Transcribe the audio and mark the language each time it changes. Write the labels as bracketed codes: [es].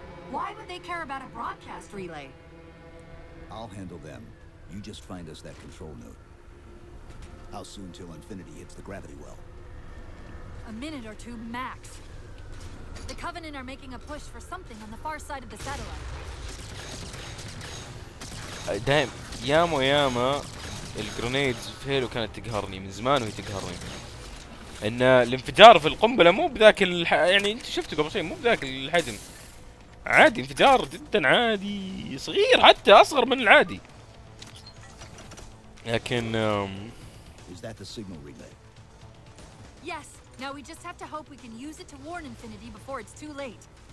[en] Why would they care about a broadcast relay? I'll handle them. You just find us that control node. How soon till Infinity hits the gravity well? A minute or two max. The Covenant are making a push for something on the far side of the satellite. [ar] دايم ياما ياما الجرينيدز في هيلو كانت تقهرني من زمان، وهي تقهرني ان الانفجار في القنبله مو بذاك يعني انت شفته قبل شوي مو بذاك الحجم. عادي انفجار جدا عادي صغير، حتى اصغر من العادي. لكن [en] Is that the signal relay? Yes. Now we just have to hope we can use it to warn Infinity before it's too late.